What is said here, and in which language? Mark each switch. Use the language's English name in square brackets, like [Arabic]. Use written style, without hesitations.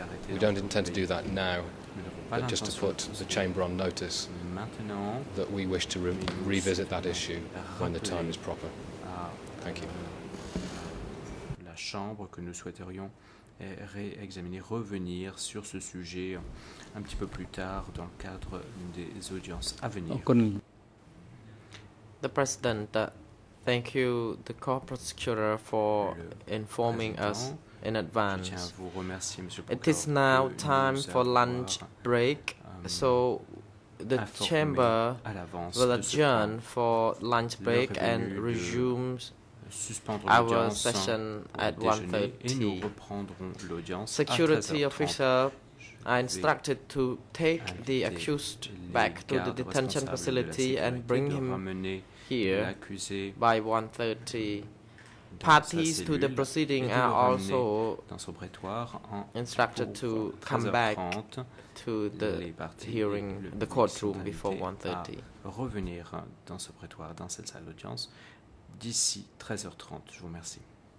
[English] We don't intend to do that now, but just to put the Chamber on notice that we wish to revisit that issue when the time is proper. Thank you. [French] La Chambre que nous souhaiterions réexaminer, revenir sur ce sujet un petit peu plus tard dans le cadre des audiences à venir. [English] The President, thank you, the co-prosecutor, for informing us in advance. It is now time for lunch break, so the Chamber will adjourn for lunch break and resume our session at 1:30. Security officers are instructed to take the accused back to the detention facility and bring him here by 1:30. Parties to the proceeding are also instructed to come back to the hearing, the courtroom, before 1:30. [French] Revenir dans ce prétoire, dans cette salle d'audience, d'ici 13h30. Je vous remercie.